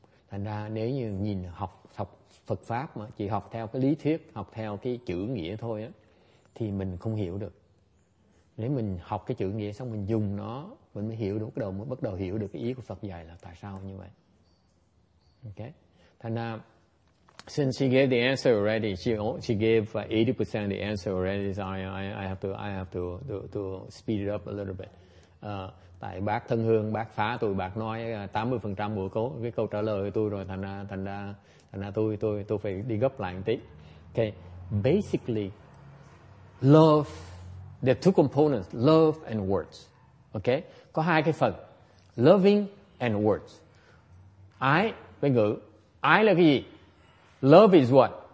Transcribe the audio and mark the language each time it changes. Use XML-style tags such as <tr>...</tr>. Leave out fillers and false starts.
<vi>Thành ra nếu như nhìn học Phật pháp mà chỉ học theo cái lý thuyết, học theo cái chữ nghĩa thôi á, thì mình không hiểu được. Nếu mình học cái chữ nghĩa xong mình dùng nó, mình mới hiểu được, bắt đầu hiểu được cái ý của Phật dạy là tại sao như vậy. Okay.</vi> <en>Thana, since she gave the answer already, she gave 80% of the answer already. So I have to speed it up a little bit.</en> <vi>Tại bác thân hương, bác phá tôi, bác nói 80% của cái câu trả lời của tôi rồi. Thana, tôi phải đi gấp lại một tí. Okay.</vi> <en>Basically, love, there are two components, love and words.</en> <vi>Okay. Có hai cái phần,</vi> <en>loving and words.</en> <vi>I với ngữ. Ái là cái gì?</vi> <en>Love is what?</en>